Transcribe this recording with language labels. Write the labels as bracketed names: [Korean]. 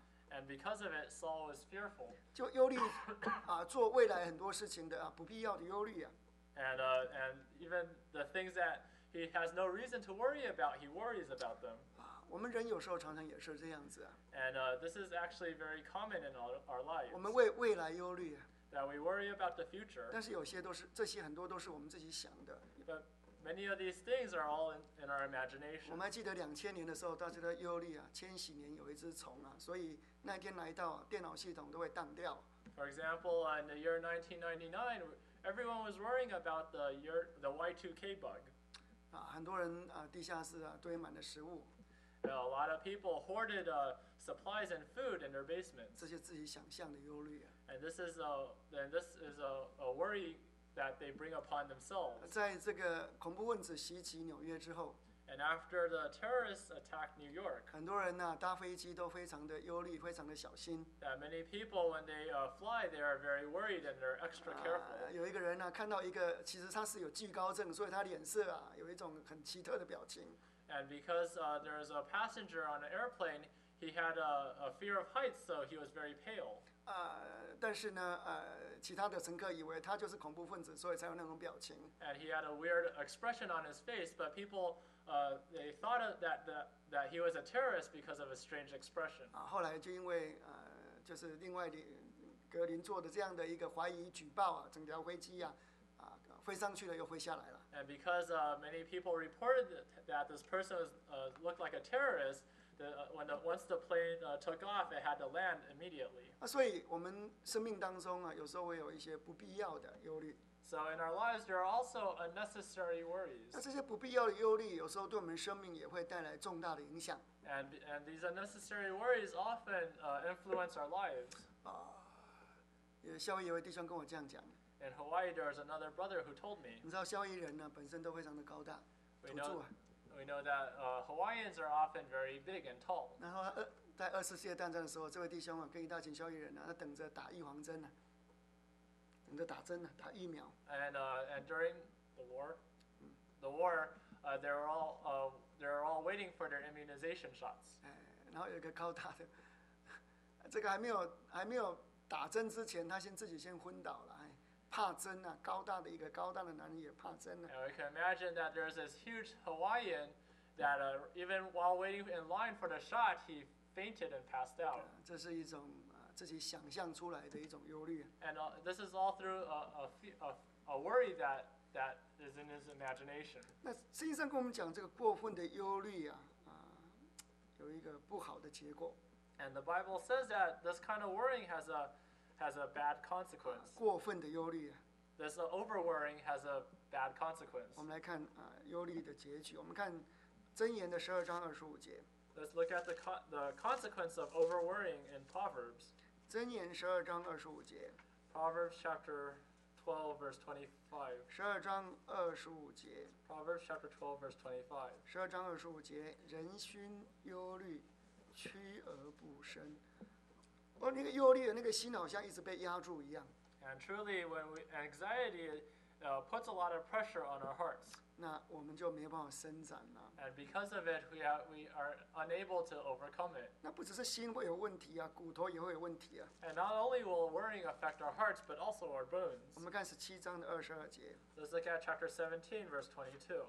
[English] And because of it, Saul was fearful. [Chinese] 就忧虑, 啊, 做未来很多事情的, 啊, 不必要的忧虑啊。 [English] And even the things that he has no reason to worry about, he worries about them. [Chinese] 啊, 我们人有时候常常也是这样子啊。 [English] And this is actually very common in our lives. [Chinese] 我们为未来忧虑啊。 [English] That we worry about the future. [Chinese] 但是有些都是, 这些很多都是我们自己想的。 [English] But many of these things are all in our imagination. [Chinese] 我们还记得2000年的时候, 大家都忧虑啊, 千禧年有一只虫啊, 所以那天来到, 电脑系统都会当掉。 [English] For example, in the year 1999, everyone was worrying about the Y2K bug. [Chinese] 啊, 很多人, 啊, 地下室啊, 堆满了食物。 [English] A lot of people hoarded supplies and food in their basements. [Chinese] 这些自己想象的忧虑啊。 [English] And this is a worry that they bring upon themselves. [Chinese] 在这个恐怖分子袭击纽约之后, [English] and after the terrorists attacked New York, [Chinese] 很多人啊, 搭飞机都非常的忧虑, 非常的小心。 [English] That many people, when they fly, they are very worried and they're extra careful. [Chinese] 有一个人啊, 看到一个, 其实他是有惧高症, 所以他脸色啊, 有一种很奇特的表情。 [English] And because there is a passenger on an airplane, he had a fear of heights, so he was very pale. [Chinese] 但是呢, 其他的乘客以为他就是恐怖分子, 所以才有那种表情。 [English] And he had a weird expression on his face, but people, they thought that he was a terrorist because of a strange expression. [Chinese] 后来就因为, 就是另外格林做的这样的一个怀疑举报啊, 整条飞机啊, 飞上去了又飞下来了。 [English] And because many people reported that this person looked like a terrorist, once the plane took off, it had to land immediately. [Chinese] 所以我们生命当中啊, 有时候会有一些不必要的忧虑。 [English] So in our lives, there are also unnecessary worries. [Chinese] 那这些不必要的忧虑, 有时候对我们生命也会带来重大的影响。 [English] And these unnecessary worries often influence our lives. [Chinese] 夏威夷有位弟兄跟我这样讲。 [English] In Hawaii, there is another brother who told me. [Chinese] 你知道夏威夷人呢, 本身都非常的高大, [English] we know that Hawaiians are often very big and tall. [Chinese] 然后, 在二次世界大战的时候, 这位弟兄啊, 跟一大群夏威夷人啊, 他等着打预防针啊, 等着打针啊, 打疫苗。 [English] And during the war, they're all waiting for their immunization shots. [Chinese] 然后有一个高大的, 这个还没有打针之前, 他先自己先昏倒了。怕针啊, 高大的一个, 高大的男人也怕针啊。 [English] And we can imagine that there's this huge Hawaiian that even while waiting in line for the shot, he fainted and passed out. [Chinese] 这是一种, 自己想象出来的一种忧虑。 [English] And this is all through a worry that is in his imagination. [Chinese] 那圣经上跟我们讲这个过分的忧虑啊, 有一个不好的结果。 [English] And the Bible says that this kind of worrying has a bad consequence. [Chinese] 过分的忧虑啊, [English] this over-worrying has a bad consequence. [Chinese] 我们来看, 忧虑的结局, 我们看 箴言的12章25节。 [English] Let's look at the consequence of over-worrying in Proverbs. [Chinese] 箴言12章25节。 [English] Proverbs chapter 12, verse 25. [Chinese] 12章25节。 [English] Proverbs chapter 12, verse 25. [Chinese] 12章25节, 人心忧虑, 屈而不伸。那个忧虑的那个心好像一直被压住一样。 [English] And truly, when anxiety puts a lot of pressure on our hearts, [Chinese] 那我们就没办法伸展了。 [English] And because of it, we are unable to overcome it. [Chinese] 那不只是心会有问题啊, 骨头也会有问题啊。 [English] And not only will worrying affect our hearts, but also our bones. [Chinese] 我们看17章的22节。 [English] Let's look at chapter 17, verse 22.